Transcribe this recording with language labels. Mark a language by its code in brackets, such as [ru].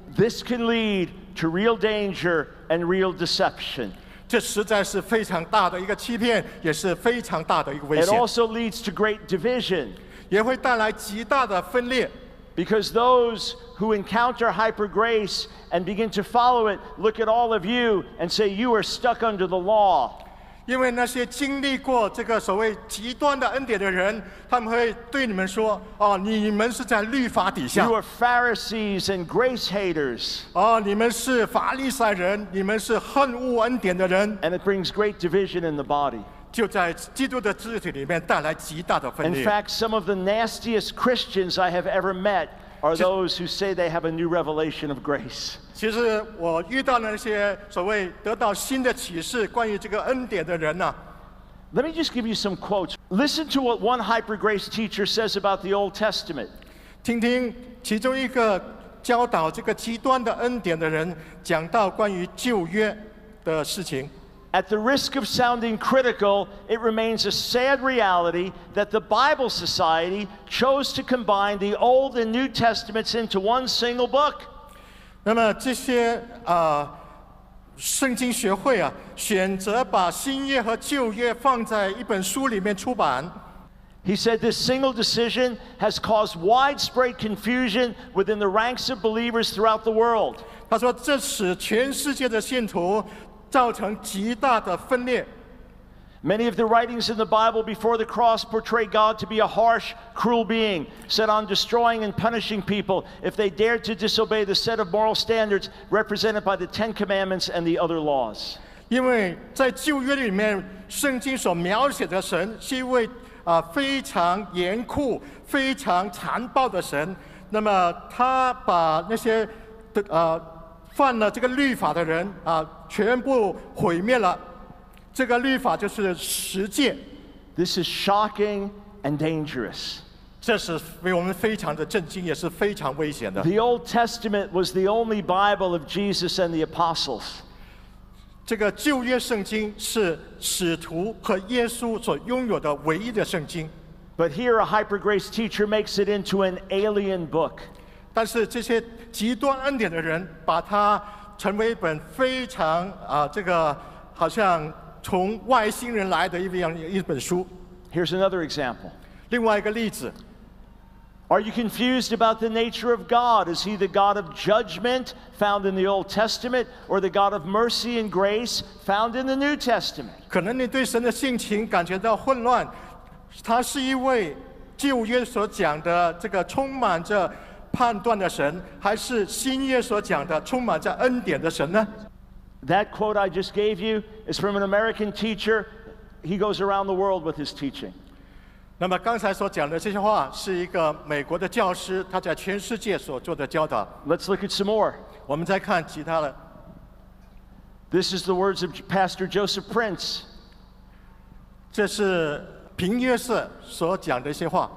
[en] This can lead to real danger and real deception. [zh] 这实在是非常大的一个欺骗，也是非常大的一个危险。 [en] It also leads to great division. [zh] 也会带来极大的分裂。 [en] Because those who encounter hyper grace and begin to follow it look at all of you and say, you are stuck under the law. [zh] 因为那些经历过这个所谓极端的恩典的人，他们会对你们说，哦，你们是在律法底下。 [en] You are Pharisees and grace haters. [zh] 哦，你们是法利赛人，你们是恨恶恩典的人。 [en] And it brings great division in the body. [zh] 就在基督的肢体里面带来极大的分裂。 [en] In fact, some of the nastiest Christians I have ever met are those who say they have a new revelation of grace. [zh] 其实我遇到那些所谓得到新的启示关于这个恩典的人呢。 [en] Let me just give you some quotes. Listen to what one hyper grace teacher says about the Old Testament. [zh] 听听其中一个教导这个极端的恩典的人讲到关于旧约的事情。 [en] At the risk of sounding critical, it remains a sad reality that the Bible Society chose to combine the Old and New Testaments into one single book. [zh] 那么这些圣经学会啊，选择把新约和旧约放在一本书里面出版。 [en] He said this single decision has caused widespread confusion within the ranks of believers throughout the world. [zh] 他说这使全世界的信徒造成极大的分裂。 [en] Many of the writings in the Bible before the cross portray God to be a harsh, cruel being, set on destroying and punishing people if they dared to disobey the set of moral standards represented by the Ten Commandments and the other laws. [zh] 因为在旧约里面，圣经所描写的神是一位非常严酷、非常残暴的神。那么他把那些的犯了这个律法的人全部毁灭了。这个律法就是十诫。 [en] This is shocking and dangerous. [zh] 这是为我们非常的震惊，也是非常危险的。 [en] The Old Testament was the only Bible of Jesus and the apostles. [zh] 这个旧约圣经是使徒和耶稣所拥有的唯一的圣经。 [en] But here a hyper grace teacher makes it into an alien book. [zh] 但是这些极端恩典的人把它成为一本非常这个好像从外星人来的一本书。 [en] Here's another example. [zh] 另外一个例子。 [en] Are you confused about the nature of God? Is he the God of judgment found in the Old Testament or the God of mercy and grace found in the New Testament? [zh] 可能你对神的性情感觉到混乱，他是一位旧约所讲的这个充满着判断的神，还是新约所讲的充满着恩典的神呢？ [en] That quote I just gave you is from an American teacher. He goes around the world with his teaching. [zh] 那么刚才所讲的这些话是一个美国的教师，他在全世界所做的教导。 [en] Let's look at some more. [zh] 我们再看其他的。 [en] This is the words of Pastor Joseph Prince. [zh] 这是平约瑟所讲的一些话。